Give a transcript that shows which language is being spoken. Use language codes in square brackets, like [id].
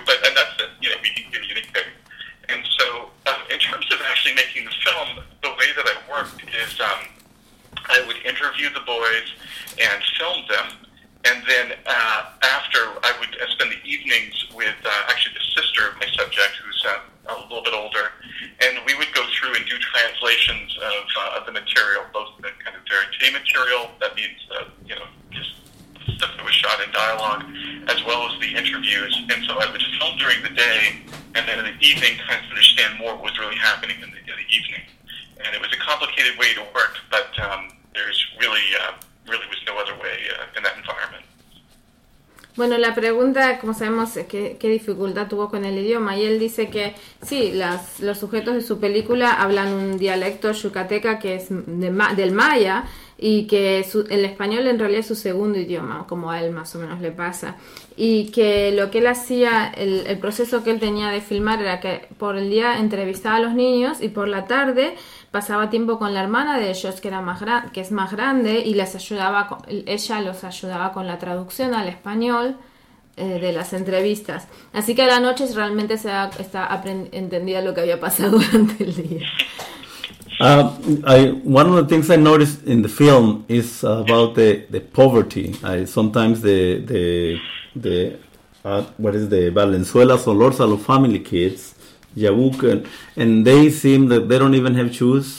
[en] But and that's it, you know, we can communicate. And so, in terms of actually making the film, the way that I worked is I would interview the boys and film them, and then after I would spend the evenings with actually the sister of my subject, who's a little bit older, and we would go through and do translations of the material, both the kind of verite material, that means you know, just stuff that was shot in dialogue, as well as the interviews. And so I would film during the day, and then in the evening, kind of understand more what was really happening in the evening. And it was a complicated way to work, but there's really, really was no other way in that environment. [es] Bueno, la pregunta, como sabemos, es qué dificultad tuvo con el idioma. Y él dice que sí, los sujetos de su película hablan un dialecto yucateca que es del maya y que el español en realidad es su segundo idioma, como a él más o menos le pasa. Y que lo que él hacía, el proceso que él tenía de filmar era que por el día entrevistaba a los niños y por la tarde pasaba tiempo con la hermana de ellos, que es más grande, y les ayudaba ella los ayudaba con la traducción al español de las entrevistas. Así que a la noche realmente entendía lo que había pasado durante el día. [en] One of the things I noticed in the film is about the poverty. Sometimes what is the Valenzuela Solórzano family kids, Yabuca, and they seem that they don't even have shoes.